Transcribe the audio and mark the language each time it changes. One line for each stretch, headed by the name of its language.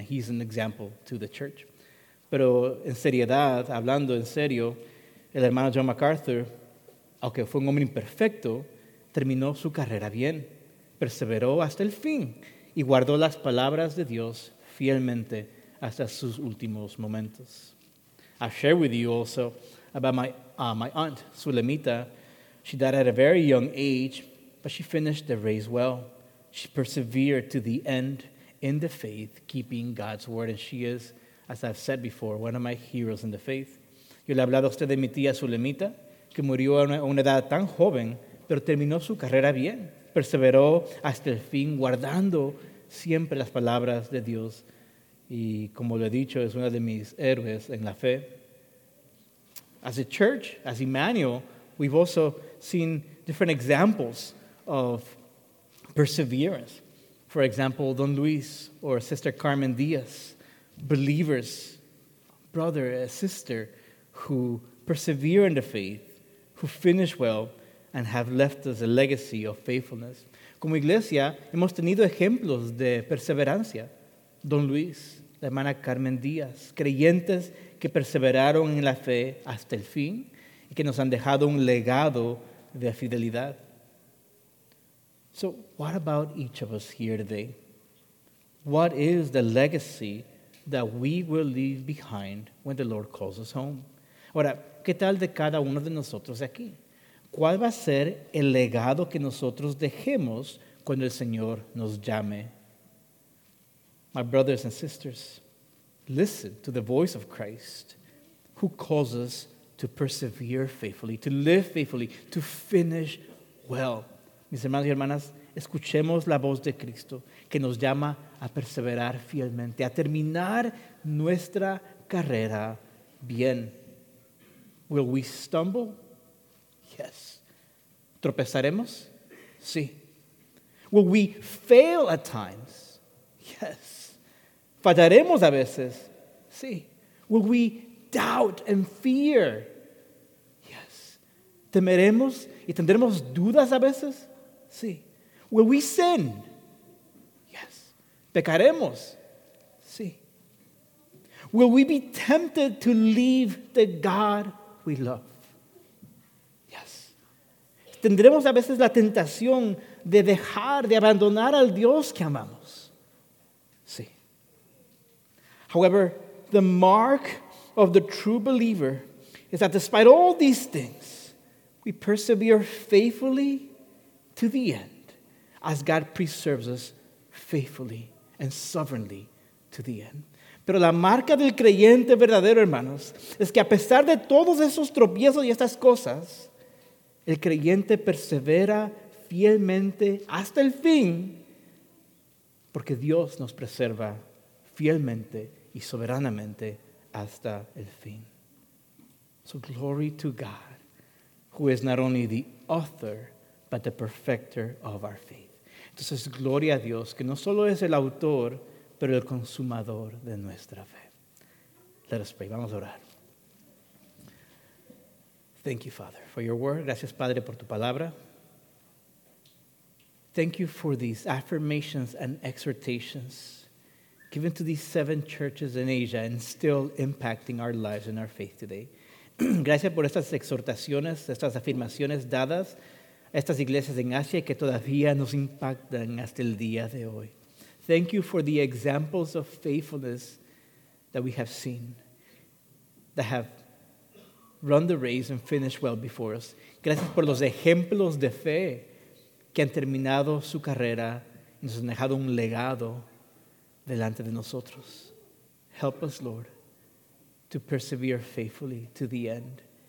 English: He's an example to the church.
Spanish: Pero en seriedad, hablando en serio, el hermano John MacArthur, aunque fue un hombre imperfecto, terminó su carrera bien. Perseveró hasta el fin y guardó las palabras de Dios fielmente hasta sus últimos momentos.
English: I'll share with you also about my aunt, Sulamita. She died at a very young age, but she finished the race well. She persevered to the end in the faith, keeping God's word. And she is, as I've said before, one of my heroes in the faith.
Spanish: Yo le he hablado a usted de mi tía Sulamita, que murió a una edad tan joven, pero terminó su carrera bien. Perseveró hasta el fin, guardando siempre las palabras de Dios. Y como lo he dicho, es una de mis héroes en la fe.
English: As a church, as Emmanuel, we've also seen different examples of perseverance. For example, Don Luis or Sister Carmen Diaz, believers, brother, a sister, who persevere in the faith, who finish well, and have left us a legacy of faithfulness.
Spanish: Como iglesia, hemos tenido ejemplos de perseverancia. Don Luis, la hermana Carmen Díaz, creyentes que perseveraron en la fe hasta el fin y que nos han dejado un legado de fidelidad.
English: So, what about each of us here today? What is the legacy that we will leave behind when the Lord calls us home?
Spanish: Ahora, ¿qué tal de cada uno de nosotros aquí? ¿Cuál va a ser el legado que nosotros dejemos cuando el Señor nos llame?
English: My brothers and sisters, listen to the voice of Christ who calls us to persevere faithfully, to live faithfully, to finish well.
Spanish: Mis hermanos y hermanas, escuchemos la voz de Cristo que nos llama a perseverar fielmente, a terminar nuestra carrera bien.
English: Will we stumble? Yes.
Spanish: ¿Tropezaremos? Sí.
English: Will we fail at times? Yes.
Spanish: ¿Fallaremos a veces? Sí.
English: Will we doubt and fear? Yes.
Spanish: ¿Temeremos y tendremos dudas a veces? Sí.
English: Will we sin? Yes.
Spanish: ¿Pecaremos? Sí.
English: will we be tempted to leave the God we love? Yes.
Spanish: Tendremos a veces la tentación de dejar, de abandonar al Dios que amamos. Sí.
English: However, the mark of the true believer is that despite all these things, we persevere faithfully to the end as God preserves us faithfully and sovereignly to the end.
Spanish: Pero la marca del creyente verdadero, hermanos, es que a pesar de todos esos tropiezos y estas cosas, el creyente persevera fielmente hasta el fin, porque Dios nos preserva fielmente y soberanamente hasta el fin.
English: So glory to God, who is not only the author, but the perfecter of our faith.
Spanish: Entonces, gloria a Dios, que no solo es el autor, pero el consumador de nuestra fe.
English: Let us pray.
Spanish: Vamos a orar.
English: Thank you, Father, for your word.
Spanish: Gracias, Padre, por tu palabra.
English: Thank you for these affirmations and exhortations given to these seven churches in Asia and still impacting our lives and our faith today.
Spanish: Gracias por estas exhortaciones, estas afirmaciones dadas a estas iglesias en Asia que todavía nos impactan hasta el día de hoy.
English: Thank you for the examples of faithfulness that we have seen, that have run the race and finished well before us.
Spanish: Gracias por los ejemplos de fe que han terminado su carrera y nos han dejado un legado delante de nosotros.
English: Help us, Lord, to persevere faithfully to the end.